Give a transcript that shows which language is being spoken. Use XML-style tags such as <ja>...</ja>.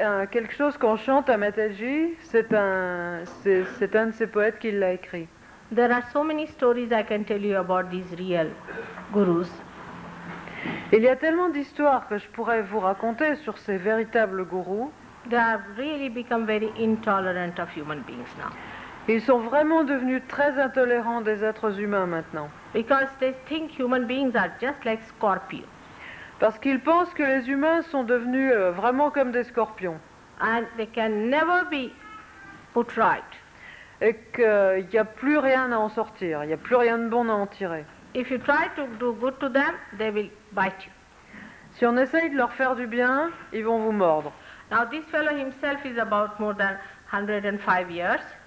<fr>Quelque chose qu'on chante à Mataji, c'est un de ces poètes qui l'a écrit.</fr> <en>There are so many stories I can tell you about these real gurus.</en> <fr>Il y a tellement d'histoires que je pourrais vous raconter sur ces véritables gourous.</fr> <en>They have really become very intolerant of human beings now.</en> <fr>Ils sont vraiment devenus très intolérants des êtres humains maintenant.</fr> <en>Because they think human beings are just like scorpions.</en> <fr>Parce qu'ils pensent que les humains sont devenus vraiment comme des scorpions.</fr> <en>And they can never be put right.</en> <fr>Et qu'il n'y a plus rien à en sortir, il n'y a plus rien de bon à en tirer.</fr> <en>If you try to do good to them, they will bite you.</en> <fr>Si on essaye de leur faire du bien, ils vont vous mordre.</fr> <en>Now this fellow himself is about more than 105 years.</en>